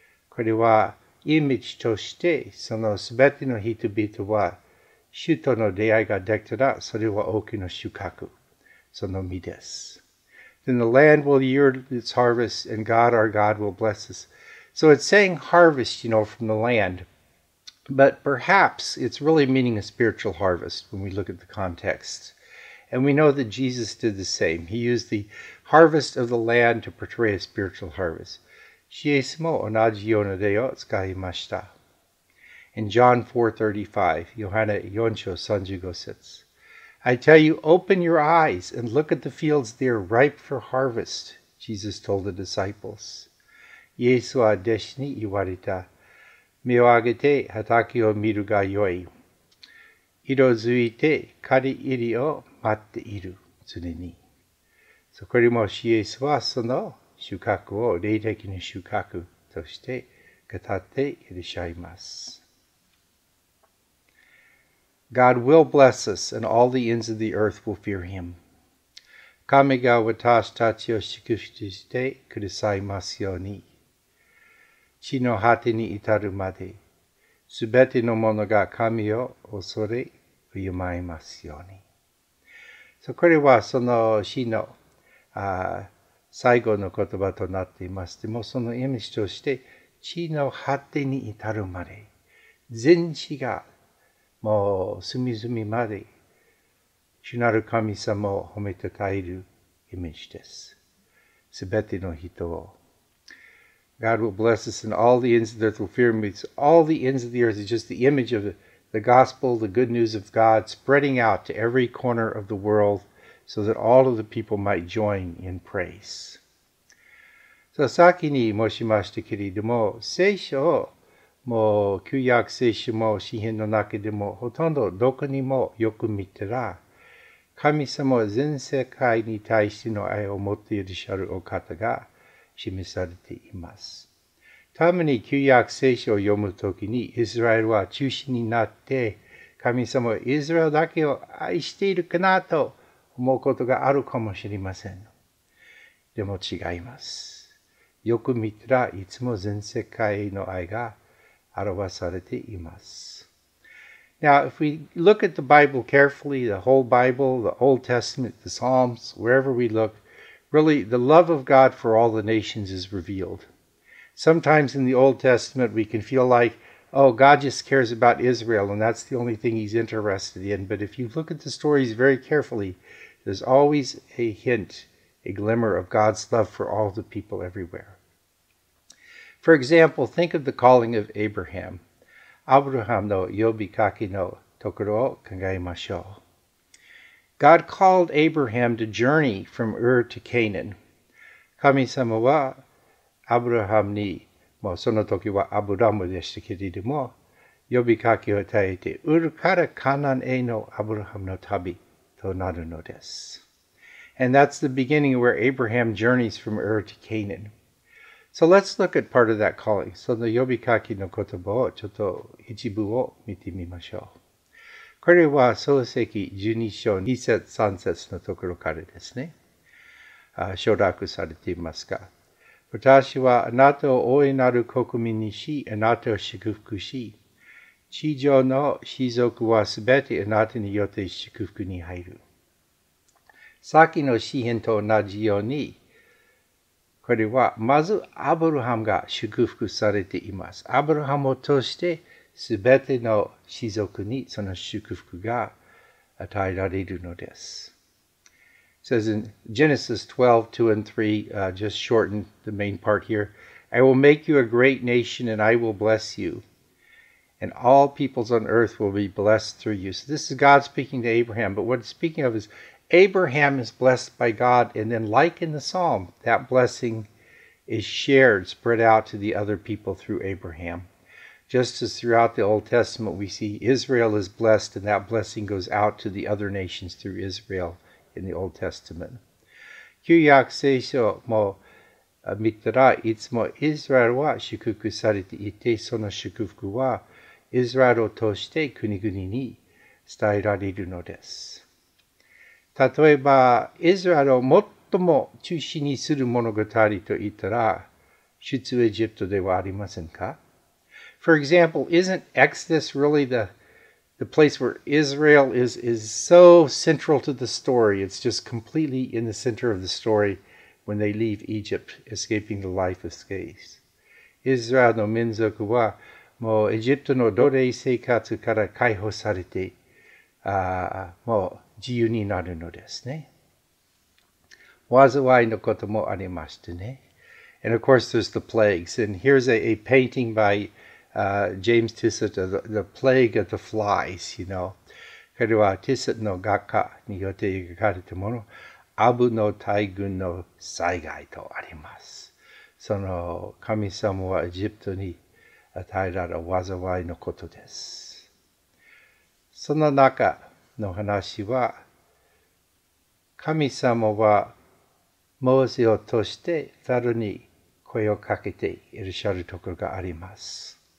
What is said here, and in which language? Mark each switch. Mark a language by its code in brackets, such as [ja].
[ja] これはイメージとしてそのすべての人々は主との出会いができたらそれは大きな収穫その実です。 [en] Then the land will yield its harvest and God our God will bless us. So it's saying harvest, you know, from the land. But perhaps it's really meaning a spiritual harvest when we look at the context. And we know that Jesus did the same. He used the harvest of the land to portray a spiritual harvest. [ja] シエスも同じようなでを使いました。 [en] In John 4:35, Johanna 4:35, I tell you, open your eyes and look at the fields, they are ripe for harvest, Jesus told the disciples. [ja] イエスは弟子に言われた。目を上げて畑を見るがよい。色づいて刈り入りを待っている、常に。そこにもシエスはその、収穫を霊的な収穫として語っていらっしゃいます。 [en] God will bless us, and all the ends of the earth will fear him. [ja] 神が私たちを祝福してくださいますように。地の果てに至るまで、すべてのものが神を恐れ敬いますように。 So、これはその詩の、最後の言葉となっています。でもその意味として、地の果てに至るまで、全地がもう隅々まで、主なる神様を褒めたたえる意味です。すべての人を。 [en] God will bless us and all the ends of the earth will fear me. It's all the ends of the earth is just the image of the gospel, the good news of God spreading out to every corner of the world. So that all of the people might join in praise. [ja] So, 先に申しましたけれども、聖書をもう旧約聖書も詩篇の中でもほとんどどこにもよく見たら、神様は全世界に対しての愛を持っていらっしゃるお方が示されています。たまに旧約聖書を読むときにイスラエルは中心になって、神様はイスラエルだけを愛しているかなと、思うことがあるかもしれません。でも違います。よく見たらいつも全世界の愛が表されています。 [en] Now, if we look at the Bible carefully, the whole Bible, the Old Testament, the Psalms, wherever we look, really the love of God for all the nations is revealed. Sometimes in the Old Testament we can feel like, oh, God just cares about Israel and that's the only thing he's interested in. But if you look at the stories very carefully,There's always a hint, a glimmer of God's love for all the people everywhere. For example, think of the calling of Abraham. [ja] Abraham の呼びかけのところを考えましょう。 [en] God called Abraham to journey from Ur to Canaan. [ja] 神様はアブラハムに、もうその時はアブラムでしたけれども、呼びかけを与えて、ウルからカナンへのアブラハムの旅。 [en] And that's the beginning where Abraham journeys from Ur to Canaan. So let's look at part of that calling. [ja] その呼びかけの言葉をちょっと一部を見てみましょう。これは創世記12章2節3節のところからですね。省略されていますが。私はあなたを大いなる国民にし、あなたを祝福し、地上の士族はすべてあなたによって祝福に入る。さっきの詩篇と同じように、これはまずアブラハムが祝福されています。アブラハムを通してすべての士族にその祝福が与えられるのです。 [en] It says in Genesis 12, 2 and 3, just shorten the main part here, I will make you a great nation and I will bless you. And all peoples on earth will be blessed through you. So this is God speaking to Abraham. But what it's speaking of is Abraham is blessed by God. And then like in the psalm, that blessing is shared, spread out to the other people through Abraham. Just as throughout the Old Testament, we see Israel is blessed and that blessing goes out to the other nations through Israel in the Old Testament. [ja] 旧約聖書も見たらいつもイスラエルは祝福されていて、その祝福はイスラエルを通して国々に伝えられるのです。例えば、イスラエルを最も中心にする物語といったら、出エジプトではありませんか? [en] For example, isn't Exodus really the place where Israel is so central to the story? It's just completely in the center of the story when they leave Egypt, escaping the life of slaves. [ja] イスラエルの民族はもうエジプトの奴隷生活から解放されて、もう自由になるのですね。災いのこともありましてね。 [en] And of course there's the plagues. And here's a painting by James Tissot, the Plague of the Flies, you know. [ja] これはティスットの画家によって描かれたもの、アブの大群の災害とあります。その神様はエジプトに与えられた災いのことです。その中の話は、神様はモーセを通してファラオに声をかけていらっしゃるところがあります。